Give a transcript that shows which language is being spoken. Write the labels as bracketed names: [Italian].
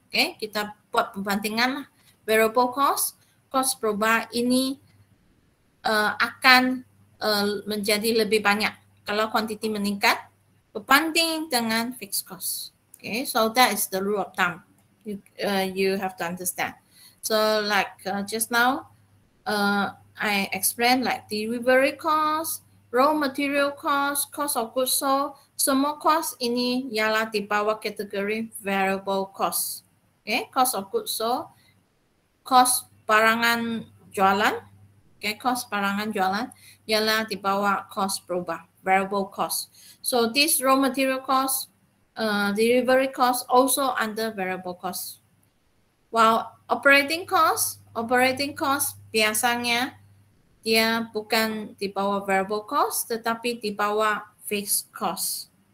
[Malay] Okay, kita buat perbandingan variable cost, cost berubah ini akan menjadi lebih banyak kalau quantity meningkat berbanding dengan fixed cost. [English] Okay, so that is the rule of thumb. You have to understand. So like just now, I explained like delivery cost, raw material cost, cost of goods sold. [Malay] Semua cost ini ialah di bawah kategori variable cost. [English] Okay, cost of goods sold, cost [Malay] barangan jualan. Okay, cost barangan jualan ialah di bawah cost berubah, variable cost. [English] So this raw material cost, delivery cost also under variable cost. While operating cost [Malay] biasanya dia bukan di bawah variable cost tetapi di bawah fixed cost.